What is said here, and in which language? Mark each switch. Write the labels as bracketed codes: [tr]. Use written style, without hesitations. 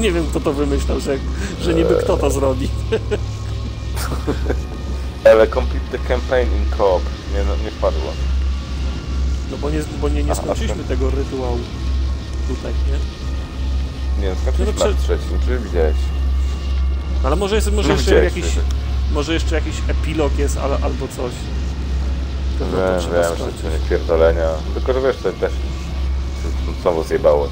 [pl] Nie wiem, kto to wymyślał, że niby kto to zrobi. Ale [en] complete the campaign in co-op. [pl] Nie, no, nie wpadło. No bo nie skończyliśmy tego rytuału tutaj, nie? Nie, skończyliśmy na trzecim, czy widziałeś? Ale może jeszcze jakiś... Może jeszcze jakiś epilog jest, albo coś. To wiem, że to nie pierdolenia. Tylko, że wiesz, to też znowu zjebało, nie?